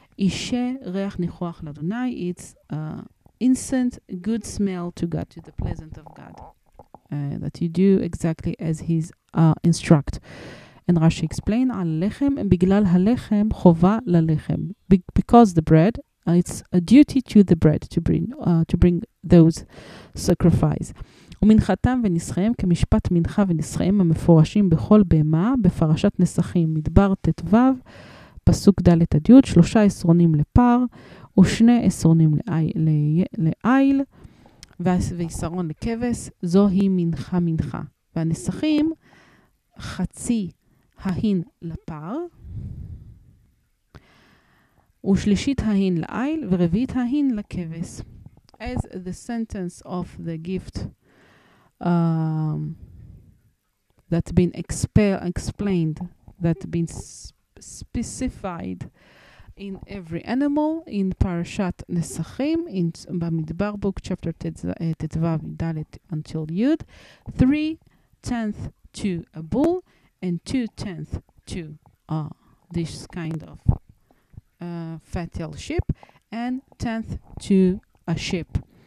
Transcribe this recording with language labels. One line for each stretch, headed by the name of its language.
Hebrew: Ishe reach nichoach ladunai,
English: it's incense, good smell to God, to the pleasant of God, that you do exactly as He's instruct. And Rashi explain
Hebrew: al lechem, biglal halechem chova lalechem,
English: because the bread, it's a duty to the bread to bring those sacrifice.
Hebrew: ומנחתם ונסחיהם כמשפט מנחה ונסחיהם המפורשים בכל בהמה בפרשת נסחים מדבר תתוו פסוק ד' הדיוד 3 עשרונים לפר ושני עשרונים לעיל ועשרון לכבש זוהי מנחה מנחה והנסחים חצי ההין לפר ושלישית ההין לעיל ורביעית ההין לכבש.
English: As the sentence of the gift that's been explained, that's been specified in every animal in Parashat Nesachim, in Bamidbar book, chapter Tetzvav, Dalet until Yud, 3/10 to a bull and 2/10 to this kind of fatal sheep, and 1/10 to a sheep.